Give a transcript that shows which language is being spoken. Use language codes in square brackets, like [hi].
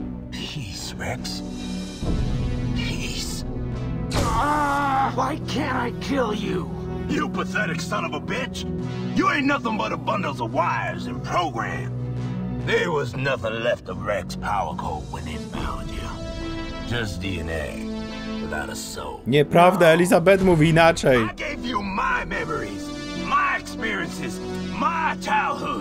[en] Peace, Rex. Peace. Why can't I kill you? You pathetic son of a bitch. You ain't nothing but a bundle of wires and program. There was nothing left of Rex Power Core when they found you. Just DNA. [pl] Nieprawda, Elizabeth mówi inaczej. [en] I gave you my memories, my experiences, my childhood.